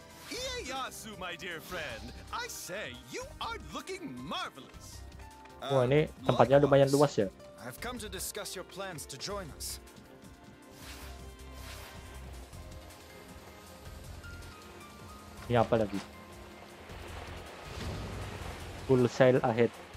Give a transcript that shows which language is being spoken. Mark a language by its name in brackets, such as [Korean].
[English] Ieyasu, my dear friend, I say you are looking marvelous. [Indonesian] Wah, ini tempatnya lumayan luas ya. [English] I've come to discuss your plans to join us. [Indonesian] Ini apa lagi? [English] Full sail ahead.